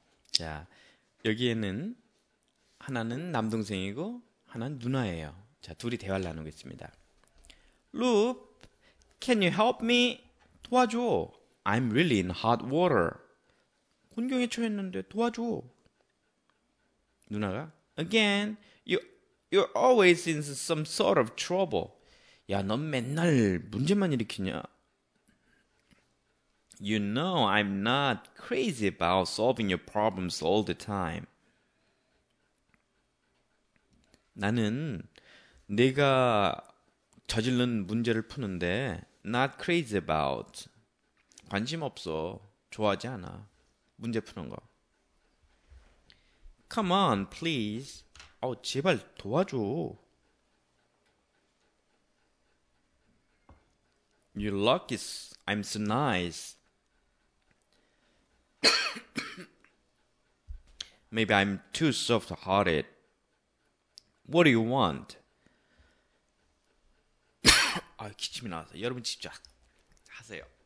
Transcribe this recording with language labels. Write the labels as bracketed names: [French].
[Korean] 자, 여기에는 하나는 남동생이고 하나는 누나예요. 자, 둘이 대화를 나누겠습니다. [English] Loop, can you help me? [Korean] 도와줘. [English] I'm really in hot water. [Korean] 곤경에 처했는데 도와줘. 누나가, [English] again, you're always in some sort of trouble. [Korean] 야, 넌 맨날 문제만 일으키냐? [English] You know I'm not crazy about solving your problems all the time. [Korean] 나는 네가 저질른 문제를 푸는데 [English] not crazy about. [Korean] 관심 없어. 좋아하지 않아. 문제 푸는 거. [English] Come on, please. [Korean] 어, 제발 도와줘. [English] You're lucky I'm so nice. Maybe I'm too soft-hearted. What do you want? [Korean] 아, 기침이 나와서. 여러분 직접 하세요.